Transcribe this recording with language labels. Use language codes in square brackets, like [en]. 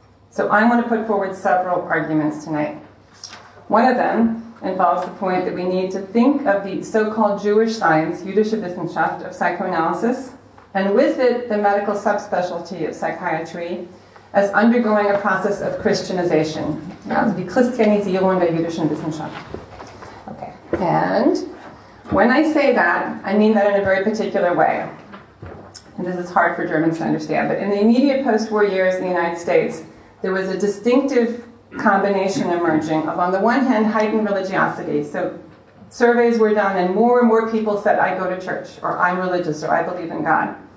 [en] So I want to put forward several arguments tonight. One of them involves the point that we need to think of the so-called Jewish science, [de] Jüdische Wissenschaft, [en] of psychoanalysis, and with it, the medical subspecialty of psychiatry, as undergoing a process of Christianization. [de] Also die Christianisierung der Jüdischen Wissenschaft. [en] Okay. And when I say that, I mean that in a very particular way. And this is hard for Germans to understand, but in the immediate post-war years in the United States, there was a distinctive combination emerging of, on the one hand, heightened religiosity. So surveys were done and more people said, I go to church, or I'm religious, or I believe in God.